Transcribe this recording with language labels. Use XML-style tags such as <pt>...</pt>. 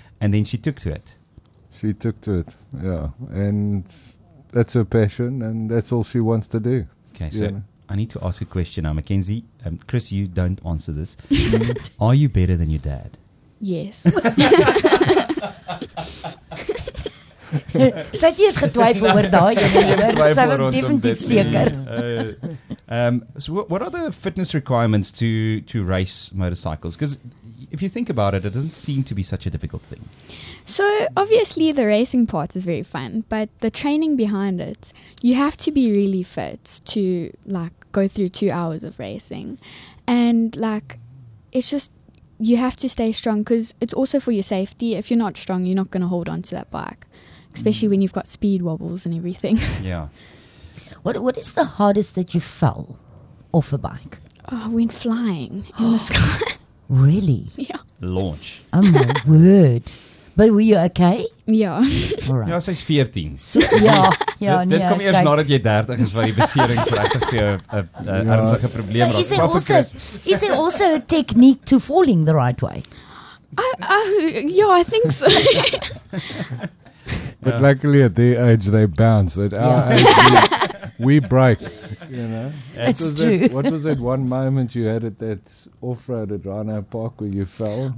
<en>And then she took to it. She took to it, yeah. And that's her passion, and that's all she wants to do. Okay, so I need to ask a question now, Mackenzie. Chris, you don't answer this. Are you better than your dad? Yes.</en> <af>Sy het eers getwyfel oor daai ene, sy was definitief seker.</af> <en>So what are the fitness requirements to race motorcycles? Because if you think about it, it doesn't seem to be such a difficult thing. So obviously the racing part is very fun, but the training behind it, you have to be really fit to like go through 2 hours of racing. And like, it's just, you have to stay strong because it's also for your safety. If you're not strong, you're not going to hold on to that bike. Especially when you've got speed wobbles and everything. Yeah. What is the hardest that you fell off a bike? Oh, when flying in the sky. Really? Yeah. Launch. Oh, my word. But were you okay? Yeah. All right.</en> <af>Ja, sy's 14. Dit kom eers nadat jy 30 is, waar die beserings regtig vir jou 'n ernstige probleem raak.</af> <en>So is there also a technique to falling the right way? I think so. But luckily at their age, they bounce. At our age, we break, you know. That's what true. What was that one moment you had at that off-road at Rhino Park where you fell?</en>